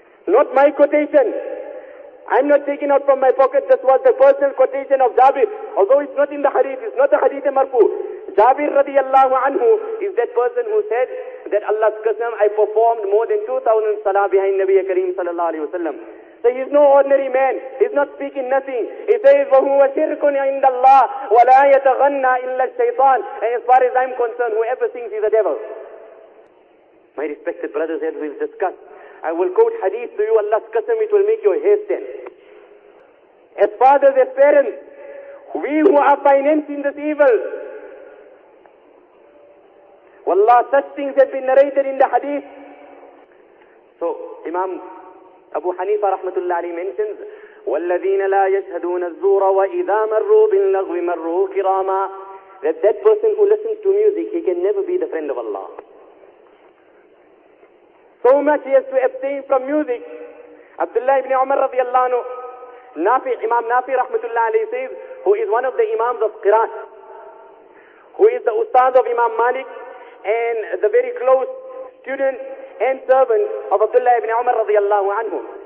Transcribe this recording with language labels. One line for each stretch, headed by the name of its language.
English: Not my quotation. I'm not taking out from my pocket, this was the personal quotation of Jabir. Although it's not in the hadith, it's not a hadith marfu. Jabir radiyallahu anhu is that person who said that Allah's Qasam, I performed more than 2,000 salah behind Nabi Kareem sallallahu alayhi wa sallam. So he's no ordinary man. He's not speaking nothing.
Arabic: He says, وَهُوَ شِرْكٌ عِنْدَ اللَّهِ وَلَا يَتَغَنَّ إِلَّا الشَّيْطَانِ.
English: And as far as I'm concerned, whoever thinks he's a devil. My respected brothers, as we've discussed, I will quote hadith to you, Allah's Qasam, it will make your hair stand. As fathers, as parents, we who are financing this evil, wallah, such things have been narrated in the hadith. So Imam Abu Hanifa rahmatullah alayhi mentions,
Arabic: والذين لا يشهدون الزور وإذا مروا باللغو مروا كراما.
English: That that person who listens to music, he can never be the friend of Allah. So much he has to abstain from music. Abdullah ibn Umar radiallahu anhu, Nafi, Imam Nafi rahmatullah alayhi says, who is one of the Imams of Qiraat, who is the Ustad of Imam Malik and the very close student and servant of Abdullah ibn Umar radiallahu anhu.